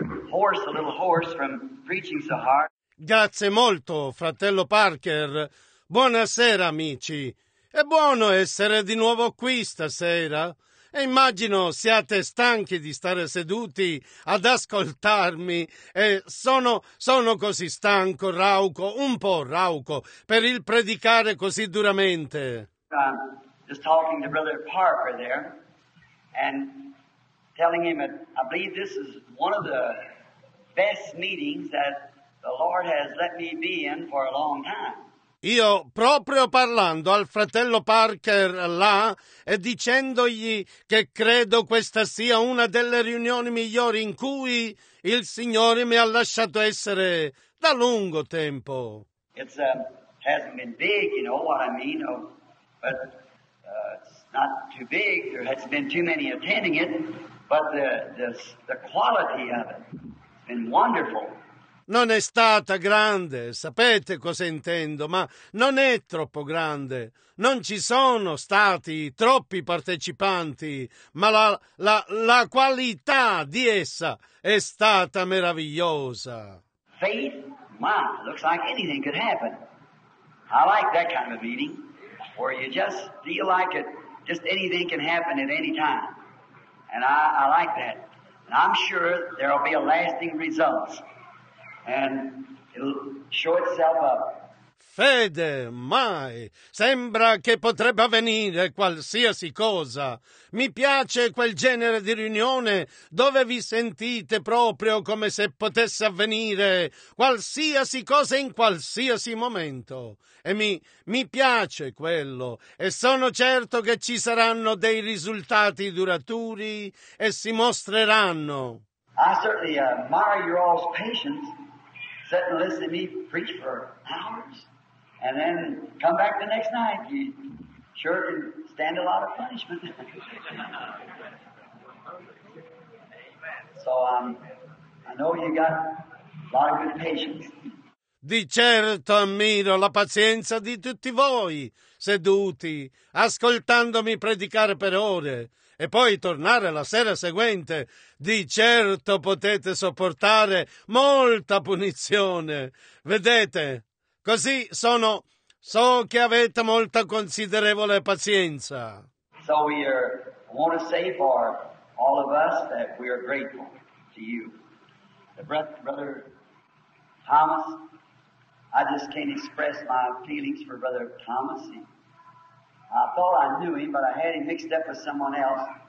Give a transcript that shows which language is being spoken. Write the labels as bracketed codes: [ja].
[en] Hoarse, a little hoarse from preaching so hard. [it] Grazie molto, fratello Parker. Buonasera, amici. È buono essere di nuovo qui stasera. E immagino siate stanchi di stare seduti ad ascoltarmi e sono così stanco, rauco, un po' rauco, per il predicare così duramente. [en] Just talking to Brother Parker there and telling him that I believe this is one of the best meetings that the Lord has let me be in for a long time. [it] Io proprio parlando al fratello Parker là e dicendogli che credo questa sia una delle riunioni migliori in cui il Signore mi ha lasciato essere da lungo tempo. [en] It's hasn't been big, you know what I mean, but it's not too big. There hasn't been too many attending it, but the quality of it has been wonderful. [it] Non è stata grande, sapete cosa intendo, ma non è troppo grande. Non ci sono stati troppi partecipanti, ma la qualità di essa è stata meravigliosa. [en] Faith? Wow, looks like anything could happen. I like that kind of meeting, where you just feel like it, just anything can happen at any time. And I like that. And I'm sure there will be a lasting result. And it'll show itself up. [it] Fede, mai. Sembra che potrebbe avvenire qualsiasi cosa. Mi piace quel genere di riunione dove vi sentite proprio come se potesse avvenire qualsiasi cosa in qualsiasi momento. E mi piace quello. E sono certo che ci saranno dei risultati duraturi e si mostreranno. [en] I certainly admire your all's patience. Sit and listen to me preach for hours, and then come back the next night. You sure can stand a lot of punishment. So I know you got a lot of good patience. [it] Di certo ammiro la pazienza di tutti voi, seduti, ascoltandomi predicare per ore. E poi tornare la sera seguente, di certo potete sopportare molta punizione. Vedete, così sono. So che avete molta considerevole pazienza. [en] So we are, I want to say for all of us that we are grateful to you. Brother Thomas, I just can't express my feelings for Brother Thomas. I thought I knew him, but I had him mixed up with someone else.